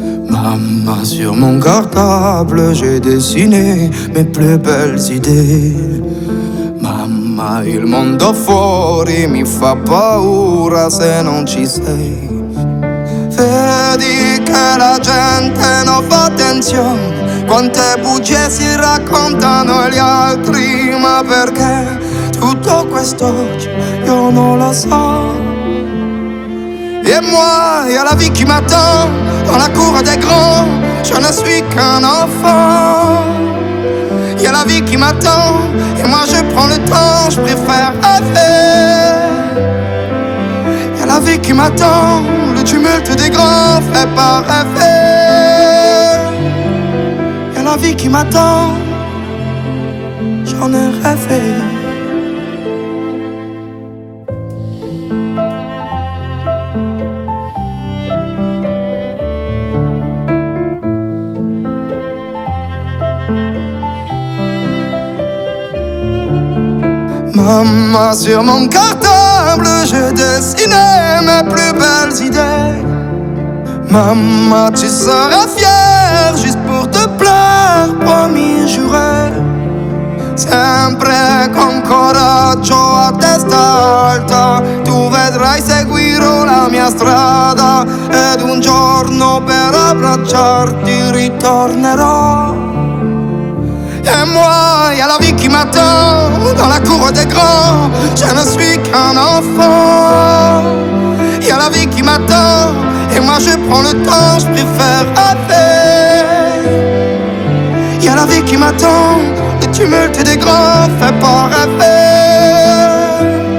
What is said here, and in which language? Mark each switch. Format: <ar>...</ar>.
<fr>Maman, sur mon cartable, j'ai dessiné mes plus belles idées.</fr> <it>Maman, il mondo fuori mi fa paura se non ci sei. Vedi che la gente non fa attenzione, quante bugie si raccontano gli altri, ma perché tutto quest'oggi io non lo so.</it> <fr>Et moi, y'a la vie qui m'attend, dans la cour des grands, je ne suis qu'un enfant. Y'a la vie qui m'attend, et moi je prends le temps, je préfère rêver. Y'a la vie qui m'attend, le tumulte des grands fait pas rêver. Y'a la vie qui m'attend, j'en ai rêvé. Maman, sur mon cartable, je dessinais mes plus belles idées. Maman, tu seras fière, juste pour te plaire, promis, juré.</fr> <it>Sempre con coraggio a testa alta, tu vedrai seguirò la mia strada. Ed un giorno per abbracciarti ritornerò.</it> <fr>Et moi, y'a la vie qui m'attend, dans la cour des grands, je ne suis qu'un enfant. Y'a la vie qui m'attend, et moi je prends le temps, je préfère rêver. Y'a la vie qui m'attend, le tumulte des grands fait pas rêver.</fr>